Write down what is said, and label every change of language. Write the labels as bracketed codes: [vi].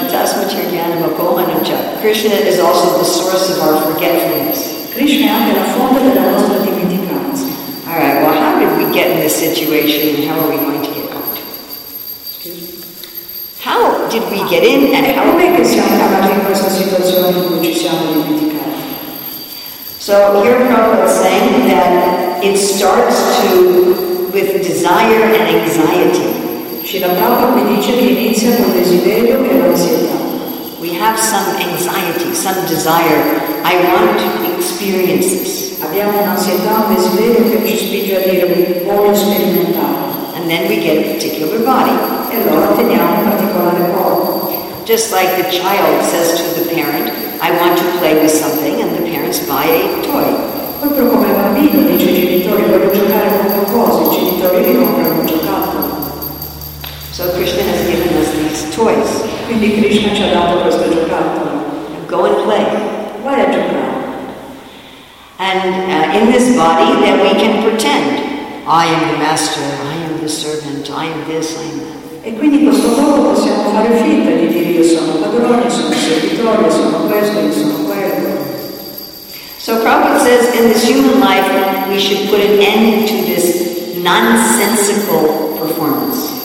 [en] Matasmacharyanamakomanamcha. Krishna is also the source of our forgetfulness. [it] Krishna è anche la fonte della nostra dimenticanza. [en] All right, well, how did we get in this situation and how are we going to get out? How did we get in and how [it] è che siamo arrivati in questa situazione in cui ci siamo dimenticati? [en] So here Prabhupada is saying that it starts to with desire and anxiety. [it] Srila Prabhupada mi dice che inizia con desiderio e ansietà. [en] We have some anxiety, some desire. I want to experience this. [it] Abbiamo un'ansietà, un desiderio che ci spinge a dire voglio sperimentare. [en] And then we get a particular body. [it] E allora otteniamo un particolare corpo. [en] Just like the child says to the parent, I want to play with something, and the parents buy a toy. [it] Proprio come il bambino dice ai genitori voglio giocare con qualcosa, i genitori gli comprano un giocattolo. [en] So Krishna has given us these toys. [it] Quindi Krishna ci ha dato questo giocattolo. [en] Go and play. [it] Vai a giocare. [en] And in this body, then we can pretend. I am the master, I am the servant, I am this, I am that. [it] E quindi in questo modo possiamo fare finta di dire io sono padrone, sono servitore, sono questo, io sono quello. [en] So Prabhupada says in this human life we should put an end to this nonsensical performance.